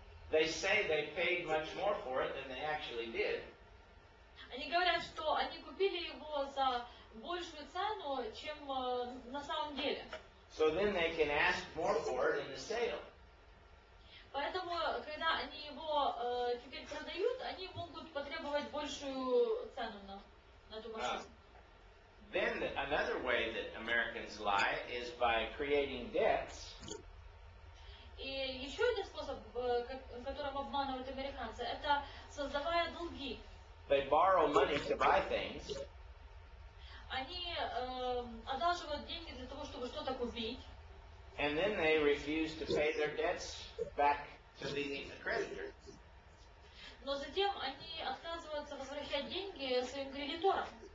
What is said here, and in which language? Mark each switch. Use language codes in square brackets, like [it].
[en] They say they paid much more for it than they actually did. [ru] Они говорят, что они купили его за большую цену, чем на самом деле. [en] So then they can ask more for it in the sale. [ru] Поэтому, когда они его теперь продают, они могут потребовать большую цену на эту машину. [en] Then another way that Americans lie is by creating debts. [ru] И еще один способ, которым обманывают американцы, это создавая долги. [en] They borrow money to buy things. [ru] Они одалживают деньги для того, чтобы что-то купить. [en] And then they refuse to pay their debts back to the creditor. [ru] Но затем они отказываются возвращать деньги своим кредиторам.